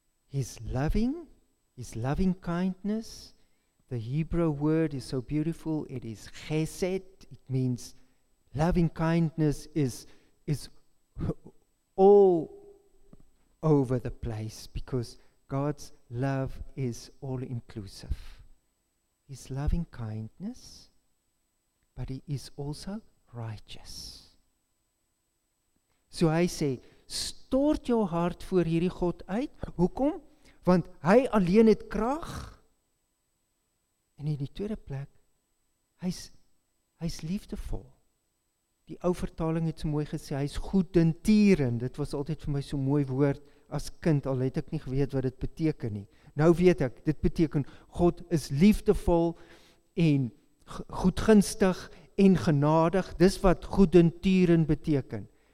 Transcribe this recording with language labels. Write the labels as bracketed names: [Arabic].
[English] His loving, his loving kindness, the Hebrew word is so beautiful, it is chesed, it means loving kindness is all over the place because God's love is all inclusive. His loving kindness, but he is also righteous. [Afrikaans] So hy sê, stort jou hart voor hierdie God uit. Hoekom? Want hy alleen het krag. En in die tweede plek, hy's liefdevol. Die ou vertaling het so mooi gesê, hy's goedintieren. Dit was altyd vir my so mooi woord as kind, al het ek nie geweet wat dit beteken nie. Nou weet ek, dit beteken God is liefdevol en goedgunstig en genadig, dis wat goedintieren beteken.